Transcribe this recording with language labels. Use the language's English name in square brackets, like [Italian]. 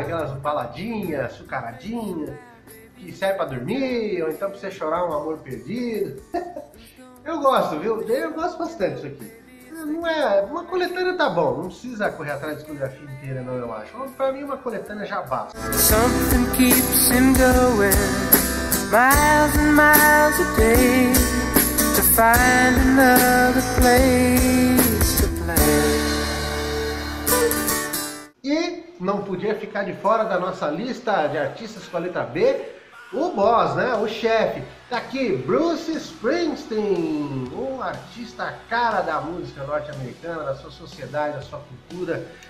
[Portuguese] Aquelas baladinhas, açucaradinhas, que serve pra dormir, ou então pra você chorar um amor perdido. Eu gosto, viu? Eu gosto bastante disso aqui. Não é... Uma coletânea tá bom, não precisa correr atrás de discografia inteira não, eu acho. Pra mim uma coletânea já basta. [English] Something keeps him going, miles and miles a day, to find another place. [Portuguese] E não podia ficar de fora da nossa lista de artistas com a letra B, o boss, né? O chefe. Tá aqui, Bruce Springsteen, um artista cara da música norte-americana, da sua sociedade, da sua cultura.